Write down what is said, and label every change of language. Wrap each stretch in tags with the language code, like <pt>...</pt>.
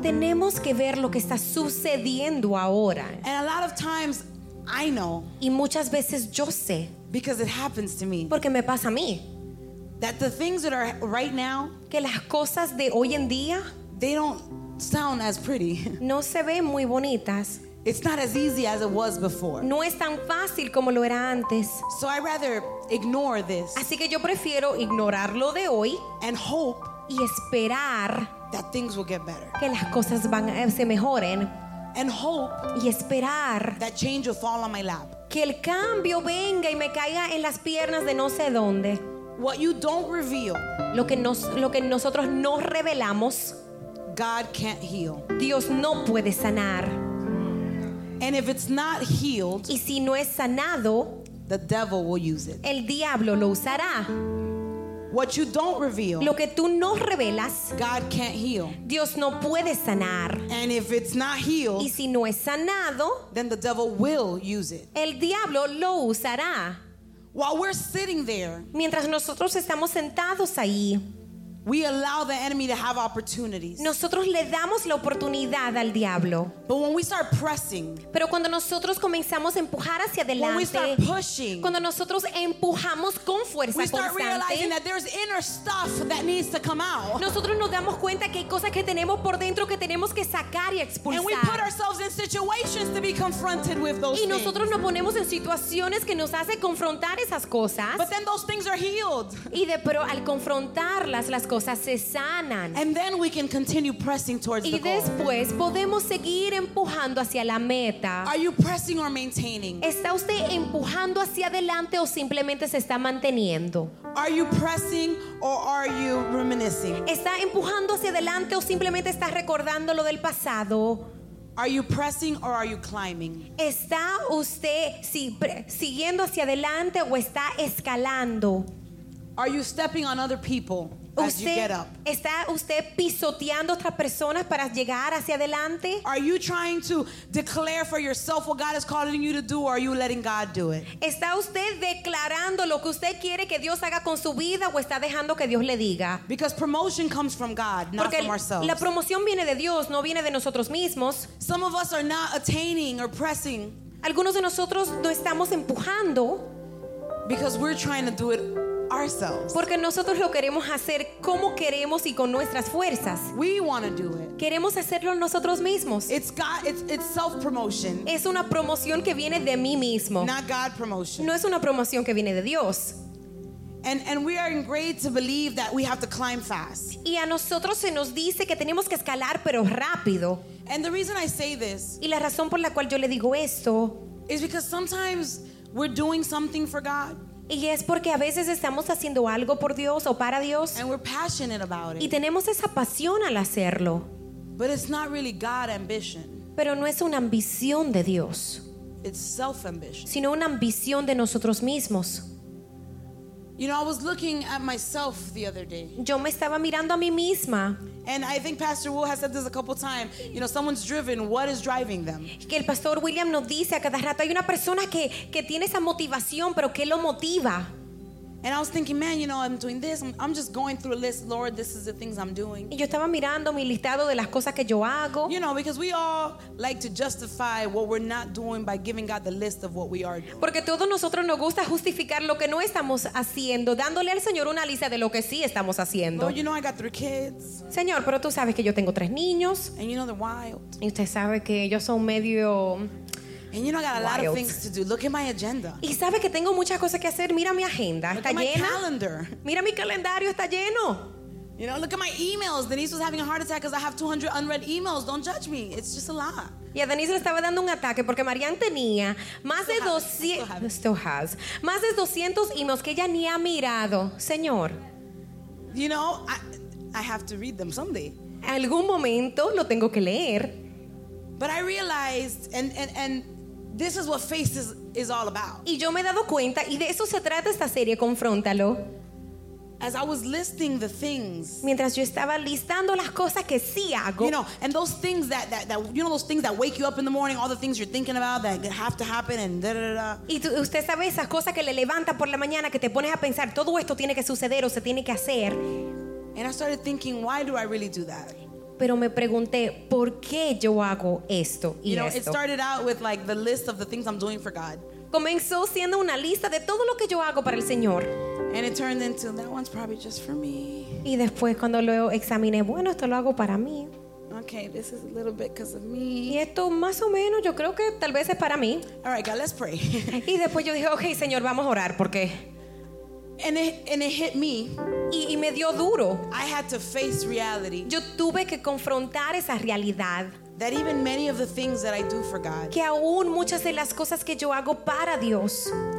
<es>Tenemos que ver lo que está sucediendo ahora.</es> <en>And a lot of times, I know.</en> <es>Y muchas veces yo sé.</es> <en>Because it happens to me.</en> <es>Porque me pasa a mí.</es> <en>That the things that are right now.</en> <es>Que las cosas de hoy en día.</es> <en>They don't sound as pretty.</en> <es>No se ven muy bonitas.</es> <en>It's not as easy as it was before.</en> <es>No es tan fácil como lo era antes.</es> <en>So I rather ignore this.</en> <es>Así que yo prefiero ignorarlo de hoy.</es> <en>And hope.</en> <es>Y esperar.</es> <en>That things will get better.</en> <es>Que las cosas van a se mejoren.</es> <en>And hope.</en> <es>Y esperar.</es> <en>That change will fall on my lap.</en> <es>Que el cambio venga y me caiga en las piernas de no sé dónde.</es> <en>What you don't reveal.</en> <es>Lo que nosotros no revelamos.</es> <en>God can't heal.</en> <es>Dios no puede sanar.</es> <en>And if it's not healed,</en> <es>y si no es sanado,</es> <en>the devil will use it.</en> <es>El diablo lo usará.</es> <en>What you don't reveal,</en> <es>lo que tú no revelas,</es> <en>God can't heal.</en> <es>Dios no puede sanar.</es> <en>And if it's not healed,</en> <es>y si no es sanado,</es> <en>then the devil will use it.</en> <es>El diablo lo usará.</es> <en>While we're sitting there,</en> <es>mientras nosotros estamos sentados ahí,</es> <en>we allow the enemy to have opportunities.</en> <es>Nosotros le damos la oportunidad al diablo.</es> <en>But when we start pressing,</en> <es>pero cuando nosotros comenzamos a empujar hacia adelante,</es> <en>when we start pushing,</en> <es>cuando nosotros empujamos con fuerza</es> <en>constante, we start realizing that there's inner stuff that needs to come out.</en> <es>Nosotros nos damos cuenta que hay cosas que tenemos por dentro que tenemos que sacar y expulsar.</es> <en>And we put ourselves in situations to be confronted with those</en> <es>things. Y nosotros nos ponemos en situaciones que nos hace confrontar esas cosas.</es> <en>But then those things are healed.</en> <es>Y de pero al confrontarlas las cosas se sanan.</es> <en>And then we can continue pressing towards</en> <es>y</es> <en>the goal.</en> <es>Y después podemos seguir empujando hacia la meta.</es> <en>Are you pressing or maintaining?</en> <es>¿Está usted empujando hacia adelante o simplemente se está manteniendo?</es> <en>Are you pressing or are you reminiscing?</en> <es>¿Está empujando hacia adelante o simplemente está recordando lo del pasado?</es> <en>Are you pressing or are you climbing?</en> <es>¿Está usted siguiendo hacia adelante o está escalando?</es> <en>Are you stepping on other people? usted, as you get up?</en> <es>¿Está usted pisoteando otra persona para llegar hacia adelante?</es> <en>Are you trying to declare for yourself what God is calling you to do, or are you letting God do it?</en> <es>¿Está usted declarando lo que usted quiere que Dios haga con su vida o está dejando que Dios le diga?</es> <en>Because promotion comes from God, not</en> <es>Porque</es> <en>from ourselves.</en> <es>La promoción viene de Dios, no viene de nosotros mismos.</es> <en>Some of us are not attaining or pressing.</en> <es>Algunos de nosotros no estamos empujando.</es> <en>Because we're trying to do it ourselves.</en> <es>Porque nosotros lo queremos hacer como queremos y con nuestras fuerzas.</es> <en>We want to do it.</en> <es>Queremos hacerlo nosotros mismos.</es> <en>It's self-promotion.</en> <es>Es una promoción que viene de mí mismo.</es> <en>Not God promotion.</en> <es>No es una promoción que viene de Dios.</es> <en>And we are ingrained to believe that we have to climb fast.</en> <es>Y a nosotros se nos dice que tenemos que escalar pero rápido.</es> <en>And the reason I say this.</en> <es>Y la razón por la cual yo le digo esto.</es> <en>Is because sometimes we're doing something for God.</en> <es>Y es porque a veces estamos haciendo algo por Dios o para Dios.</es> <en>And we're passionate about it.</en> <es>Y tenemos esa pasión al hacerlo.</es> <en>But it's not really God ambition.</en> <es>Pero no es una ambición de Dios.</es> <en>It's self-ambition.</en> <es>Sino una ambición de nosotros mismos.</es> <en>You know, I was looking at myself the other day.</en> <es>Yo me estaba mirando a mí misma.</es> <en>And I think Pastor Will has said this a couple times. You know, someone's driven. What is driving them?</en> <es>Que el Pastor William nos dice a cada rato hay una persona que tiene esa motivación, pero ¿qué lo motiva?</es> <en>And I was thinking, man, you know, I'm doing this. I'm just going through a list. Lord, this is the things I'm doing.</en> <es>Y yo estaba mirando mi listado de las cosas que yo hago.</es> <en>You know, because we all like to justify what we're not doing by giving God the list of what we are doing.</en> <es>Porque todos nosotros nos gusta justificar lo que no estamos haciendo, dándole al Señor una lista de lo que sí estamos haciendo.</es> <en>Lord, you know, I got 3 kids.</en> <es>Señor, pero tú sabes que yo tengo 3 niños.</es> <en>And you know, they're wild.</en> <es>Y usted sabe que ellos son medio...</es> <en>And you know I got a wild. Lot of things to do. Look at my agenda.</en> <es>Y sabe que tengo muchas cosas que hacer. Mira mi agenda,</es> <en>look</en> <es>está</es> <en>at</en> <es>llena.</es> <en>My calendar.</en> <es>Mira mi calendario, está lleno.</es> <en>You know, look at my emails. Denise was having a heart attack because I have 200 unread emails. Don't judge me. It's just a lot.</en> <es>Yeah, Denise le estaba dando un ataque porque Marianne tenía más</es> <en>still</en> <es>de 200</es> <en>still has</en> <es>más de 200 emails que ella ni ha mirado, señor.</es> <en>You know, I have to read them someday.</en> <es>Algún momento lo tengo que leer.</es> <en>But I realized and this is what faith is all about.</en> <es>Y yo me he dado cuenta, y de eso se trata esta serie, Confróntalo.</es> <en>As I was listing the things.</en> <es>Mientras yo estaba listando las cosas que sí hago.</es> <en>You know, and those things that you know those things that wake you up in the morning, all the things you're thinking about that have to happen and da da da.</en> <es>Y tú, usted sabe esas cosas que le levanta por la mañana que te pones a pensar, todo esto tiene que suceder o se tiene que hacer.</es> <en>And I started thinking, why do I really do that?</en> <es>Pero me pregunté por qué yo hago esto y</es> <en>you know,</en> <es>esto.</es> <en>It started out with like the list of the things I'm doing for God.</en> <es>Comenzó siendo una lista de todo lo que yo hago para el Señor.</es> <en>And it turned into that one's probably just for me.</en> <es>Y después cuando lo examiné, bueno, esto lo hago para mí.</es> <en>Okay, this is a little bit because of me.</en> <es>Y esto más o menos, yo creo que tal vez es para mí.</es> <en>All right, God, let's pray.</en> <es>Y después yo dije, okay, Señor, vamos a orar porque.</es> <en>And it hit me.</en> <es>Y me dio duro.</es> <en>I had to face reality.</en> <es>Yo tuve que confrontar esa realidad.</es> <en>That even many of the things that I do for God.</en> <es>Que aún muchas de las cosas que yo hago para Dios.</es>